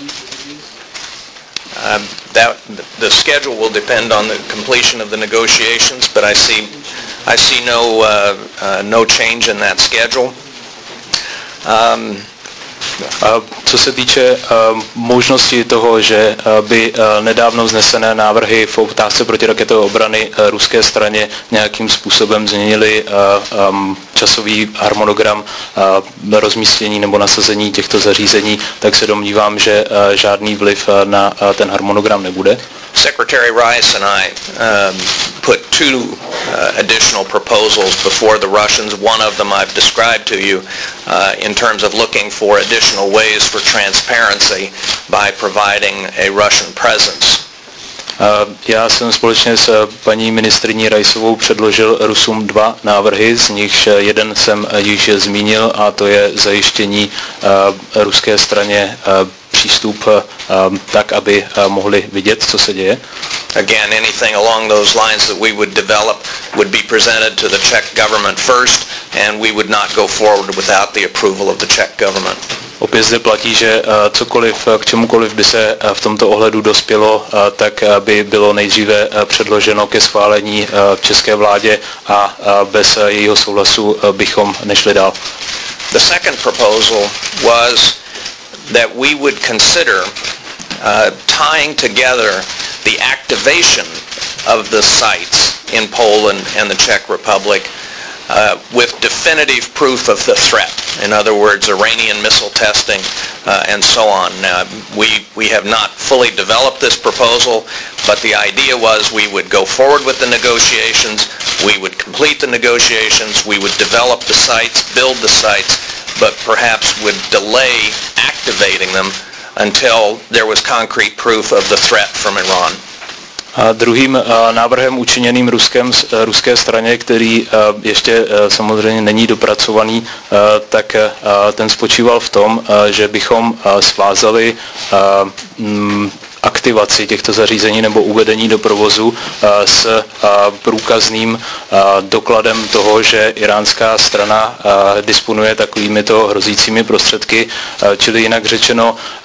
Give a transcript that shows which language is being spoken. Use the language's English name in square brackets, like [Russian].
[English] The schedule will depend on the completion of the negotiations, but I see no change in that schedule. [Czech] Co se týče možnosti toho, že by nedávno vznesené návrhy v otázce protiraketové obrany ruské straně nějakým způsobem změnily časový harmonogram rozmístění nebo nasazení těchto zařízení, tak se domnívám, že žádný vliv na ten harmonogram nebude. [English] Secretary Rice and I put two additional proposals before the Russians. One of them I've described to you in terms of looking for additional ways for transparency by providing a Russian presence. [Czech] Já jsem společně s paní ministryní Rajsovou předložil Rusům dva návrhy, z nichž jeden jsem již zmínil, a to je zajištění ruské straně přístup tak, aby mohli vidět, co se děje. [English] Again, anything along those lines that we would develop would be presented to the Czech government first, and we would not go forward without the approval of the Czech government. [Czech] Opět zde platí, že cokoliv, k čemukoliv by se v tomto ohledu dospělo, tak by bylo nejdříve předloženo ke schválení v české vládě a bez jejího souhlasu bychom nešli dál. [English] The second proposal was that we would consider tying together the activation of the sites in Poland and the Czech Republic with definitive proof of the threat. In other words, Iranian missile testing and so on. We have not fully developed this proposal, but the idea was we would go forward with the negotiations, we would complete the negotiations, we would develop the sites, build the sites, but perhaps would delay activating them until there was concrete proof of the threat from Iran. [Czech] Druhým návrhem učiněným Ruskem z ruské straně, který ještě samozřejmě není dopracovaný, tak ten spočíval v tom, že bychom svázali aktivaci těchto zařízení nebo uvedení do provozu s průkazným dokladem toho, že iránská strana disponuje takovýmito hrozícími prostředky, čili jinak řečeno,